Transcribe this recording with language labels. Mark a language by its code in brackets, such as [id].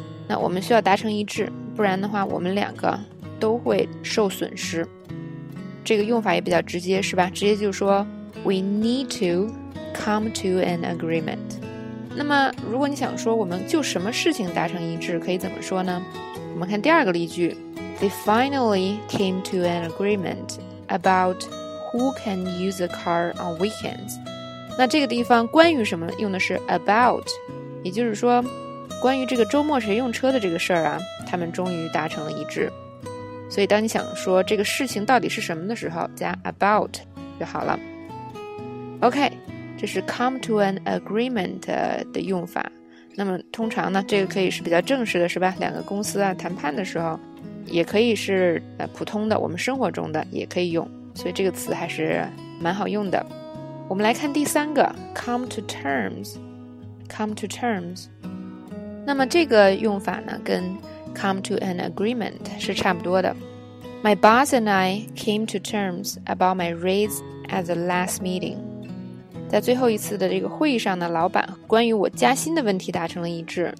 [zh] 那我们需要达成一致，不然的话，我们两个都会受损失。这个用法也比较直接，是吧？直接就说 [en] We need to come to an agreement. [zh] 那么，如果你想说我们就什么事情达成一致，可以怎么说呢？我们看第二个例句 [en] They finally came to an agreement about who can use a car on weekends. [zh] 那这个地方关于什么用的是 about， 也就是说关于这个周末谁用车的这个事儿啊，他们终于达成了一致。所以当你想说这个事情到底是什么的时候，加 about 就好了。 OK， 这是 come to an agreement 的用法。那么通常呢，这个可以是比较正式的，是吧？两个公司啊谈判的时候，也可以是普通的，我们生活中的也可以用，所以这个词还是蛮好用的。我们来看第三个 come to terms， come to terms。那么这个用法呢跟 come to an agreement 是差不多的。 [en] My boss and I came to terms about my raise at the last meeting。 [zh] 在最后一次的这个会议上呢，老板关于我加薪的问题达成了一致。